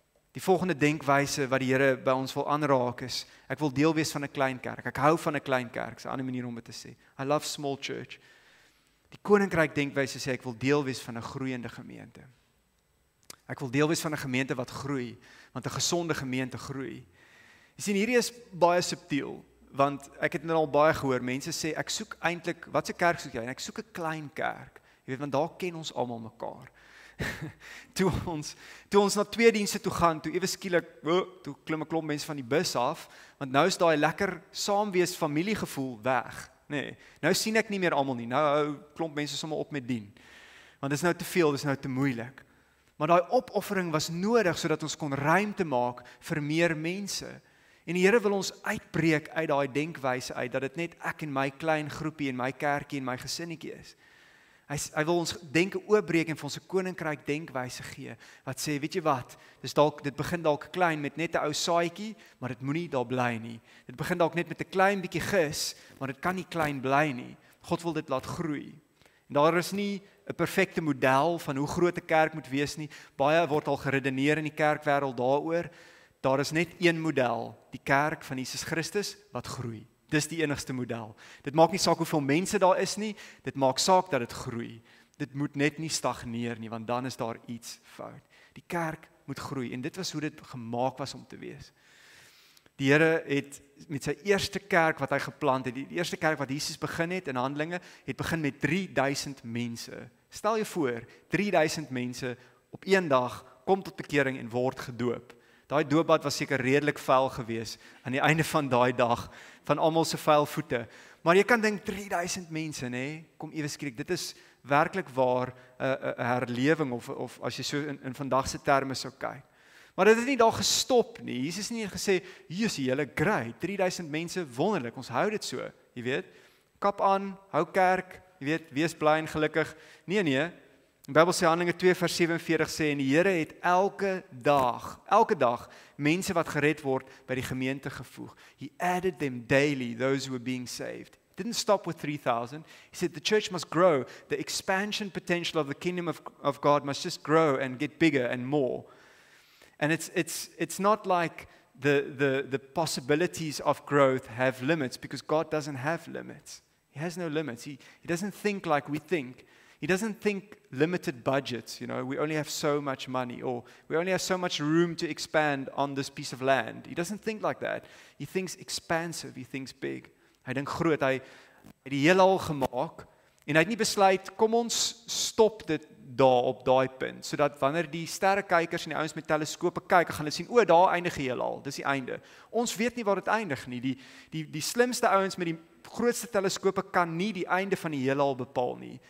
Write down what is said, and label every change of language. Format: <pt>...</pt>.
<af>Die volgende denkwijze wat die Here by ons wil aanraak is, ek wil deel wees van een klein kerk. Ek hou van een klein kerk, is een ander manier om het te sê.</af> <en>I love small church.</en> <af>Die koninkryk denkwijze sê, ek wil deel wees van een groeiende gemeente. Ek wil deel wees van een gemeente wat groei, want een gezonde gemeente groei. Jy sien, hier is baie subtiel, want ek het nou al baie gehoor, mense sê, ek soek eintlik, wat se kerk soek jy? En ek soek een klein kerk. Jy weet, want daar ken ons allemaal mekaar. toe ons na twee dienste toe gaan, toe ewe skielik, toe klim ek klomp mense van die bus af, want nou is daai lekker saamwees familiegevoel weg. Nee, nou sien ek nie meer allemaal nie, nou hou klomp mense sommer op met dien. Want dis nou te veel, dis nou te moeilik. Maar daai opoffering was nodig, sodat ons kon ruimte maak vir meer mense. En die Here wil ons uitbreek uit daai denkwyse uit, dat het net ek en my klein groepie en my kerkie en my gesinnetjie is. Hy wil ons denken oopbreek en vir ons koninkryk denkwyse gee, wat sê, weet jy wat, dit begin dalk klein met net 'n ou saaikie, maar dit moet nie daar bly nie. Dit begin dalk net met 'n klein bietjie gis, maar dit kan nie klein bly nie. God wil dit laat groei. En daar is nie 'n perfekte model van hoe groot 'n kerk moet wees nie. Baie word al geredeneer in die kerkwêreld daaroor. Daar is net een model, die kerk van Jesus Christus, wat groei. Dis die enigste model. Dit maak nie saak hoeveel mense daar is nie, dit maak saak dat het groei. Dit moet net nie stagneer nie, want dan is daar iets fout. Die kerk moet groei, en dit was hoe dit gemaak was om te wees. Die Here het met sy eerste kerk wat hy geplant het, die eerste kerk wat Jesus begin het in Handelinge, het begin met 3000 mense. Stel jy voor, 3000 mense op een dag kom tot bekering en word gedoop. Daai doopbad was seker redelik vuil geweest aan die einde van daai dag, van almal se vuil voete. Maar jy kan dink 3000 mense, nê? Kom ewe skrik, dit is werklik waar 'n herlewing of as jy so in vandag se terme sou kyk. Maar dit het nie daar gestop nie. Jesus het nie gesê, "Hier is die hele grei, 3000 mense, wonderlik, ons hou dit so." Jy weet, kap aan, hou kerk, jy weet, wees bly en gelukkig. Nee. Die Bybel sê Handelinge 2 vers 47 sê, en die Here het elke dag, mense wat gered word, by die gemeente gevoeg.</af> <en>He added them daily, those who were being saved. It didn't stop with 3,000. He said, the church must grow. The expansion potential of the kingdom of God must just grow and get bigger and more. And it's not like the possibilities of growth have limits, because God doesn't have limits. He has no limits. He doesn't think like we think. He doesn't think limited budgets, you know, we only have so much money, or we only have so much room to expand on this piece of land. He doesn't think like that. He thinks expansive, he thinks big.</en> <af>Hy dink groot, hy het die hele al gemaak, en hy het nie besluit, kom ons stop dit daar op daai punt, sodat wanneer die sterrekijkers en die ouens met teleskope kyk, gaan hulle sien, o, daar eindig die hele al, dis die einde. Ons weet nie waar dit eindig nie, die slimste ouens met die grootste teleskope kan nie die einde van die hele al bepaal nie.</af>